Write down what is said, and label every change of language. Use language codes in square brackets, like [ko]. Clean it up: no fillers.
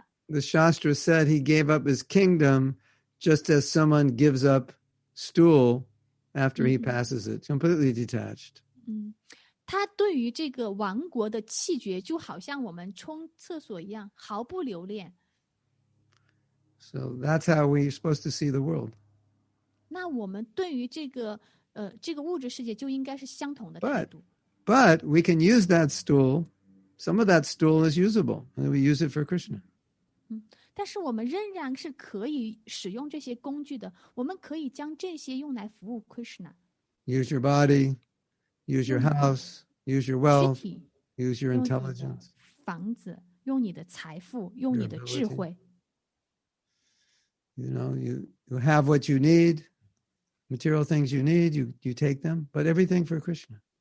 [en] The Shastra said he gave up his kingdom just as someone gives up stool after he passes it, completely detached. [zh] 他对于这个王国的弃绝，就好像我们冲厕所一样，毫不留恋。 [en] So that's how we're supposed to see the world. [zh] 那我们对于这个物质世界就应该是相同的态度。 [en] But we can use that stool. Some of that stool is usable, and we use it for Krishna. [zh] 但是我们仍然是可以使用这些工具的。我们可以将这些用来服务 Krishna. [en] Use your body, use your house, use your wealth, use your intelligence. [zh] 用你的房子，用你的财富，用你的智慧。 [en] You know, you have what you need. material things you need, you take them, but everything for Krishna.